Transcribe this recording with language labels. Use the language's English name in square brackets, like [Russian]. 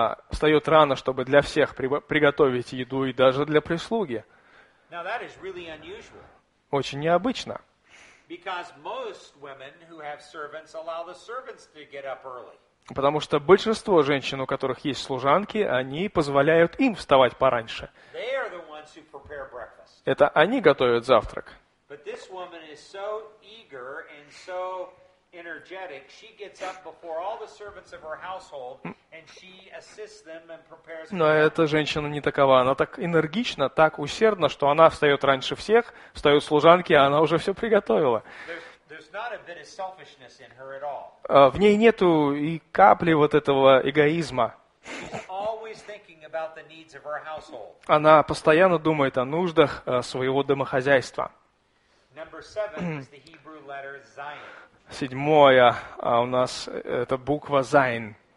[Russian] Встает рано, чтобы для всех приготовить еду и даже для прислуги. [English] Now that is really unusual. [Russian] Очень необычно. [English] Because most women who have servants allow the servants to get up early. [Russian] Потому что большинство женщин, у которых есть служанки, они позволяют им вставать пораньше. [English] They are the ones who prepare breakfast. [Russian] Это они готовят завтрак. [English] But this woman is so eager and so energetic, she gets up before all the servants of her household and she assists them and prepares. [Russian] Но эта женщина не такова. Она так энергична, так усердна, что она встает раньше всех, встают служанки, а она уже все приготовила. [English] There's not a bit of selfishness in her at all. [Russian] В ней нету и капли вот этого эгоизма. [English] She's always thinking about the needs of her household. [Russian] Она постоянно думает о нуждах своего домохозяйства. [English] Number seven is the Hebrew letter Zion. [Russian] Седьмое, а у нас это буква Зайн.